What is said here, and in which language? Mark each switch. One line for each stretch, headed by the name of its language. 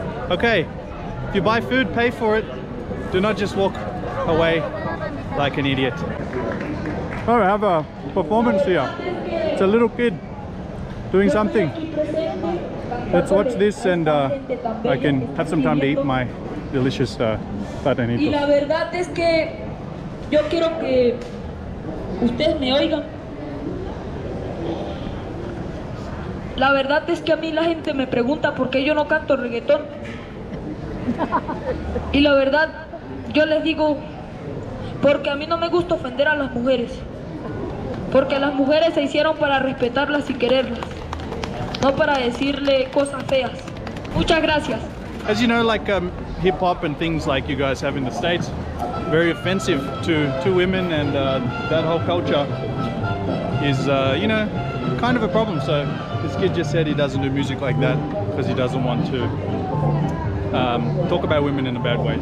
English: Okay, if you buy food, pay for it. Do not just walk away like an idiot. Oh, I have a performance here. It's a little kid doing something. Let's watch this and I can have some time to eat my delicious patanito.
Spanish: Y la verdad es que yo quiero que ustedes me oigan. La verdad es que a mí la gente me pregunta por qué yo no canto reggaetón. Y la verdad, yo les digo, porque a mí no me gusta ofender a las mujeres. Porque las mujeres se hicieron para respetarlas y quererlas, no para decirle cosas feas. Muchas gracias.
English: As you know, like hip hop and things like you guys have in the States, very offensive to women, and that whole culture is, you know, kind of a problem. So this kid just said he doesn't do music like that because he doesn't want to talk about women in a bad way.